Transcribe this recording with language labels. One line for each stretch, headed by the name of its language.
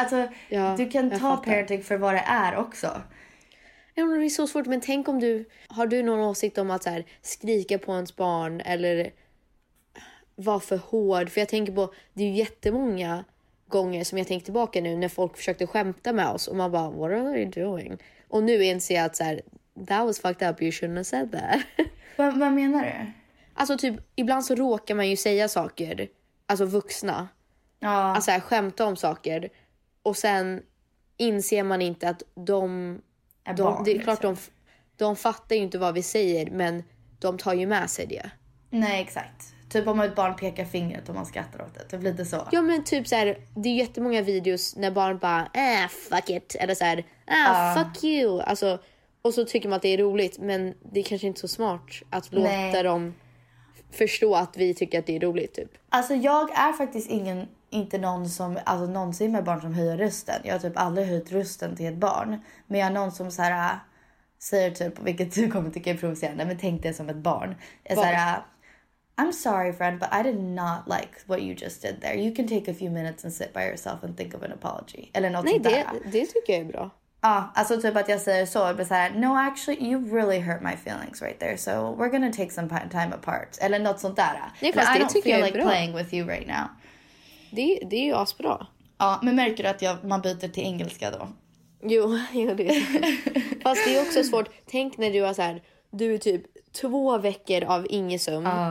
Swedish: Alltså, ja, du kan ta parenting för vad det är också. Ja, men det är så svårt. Men tänk om du... Har du någon åsikt om att så här, skrika på ens barn eller... var för hård. För jag tänker på, det är ju jättemånga gånger som jag tänker tillbaka nu när folk försökte skämta med oss och man bara,
English: what are you doing?
Swedish: Och nu inser jag att så här,
English: that was fucked up, you shouldn't have said that.
Swedish: Vad menar du? Alltså typ, ibland så råkar man ju säga saker, alltså vuxna. Ja. Alltså här, skämta om saker. Och sen inser man inte att det är klart liksom. De fattar ju inte vad vi säger, men de tar ju med sig det. Nej, exakt. Typ om ett barn pekar fingret och man skrattar åt det. Typ lite så. Ja, men typ så här, det är jättemånga videos när barn bara,
English: fuck it.
Swedish: Eller så här,
English: fuck you.
Swedish: Alltså, och så tycker man att det är roligt. Men det är kanske inte så smart att låta dem förstå att vi tycker att det är roligt. Typ. Alltså jag är faktiskt inte någon som, alltså någonsin med barn som höjer rösten. Jag har typ aldrig höjt rösten till ett barn. Men jag är någon som så här, säger typ, vilket du kommer tycka är provocerande. Men tänk dig som ett barn. Jag säger
English: I'm sorry, friend, but I did not like what you just did there. You can take a few minutes and sit by yourself and think of an apology.
Swedish: Eller något sånt där. Nej, det tycker jag är bra. Ja, alltså typ att jag säger så. Men såhär,
English: no, actually, you really hurt my feelings right there. So we're gonna take some time apart.
Swedish: Eller något sånt där. Nej, fast det tycker jag är bra.
English: Playing with you right now.
Swedish: Det är ju asbra. Ja, men märker du att man byter till engelska då? Jo, det är fast det är också svårt. Tänk när du har såhär, du är typ 2 veckor av ingesum.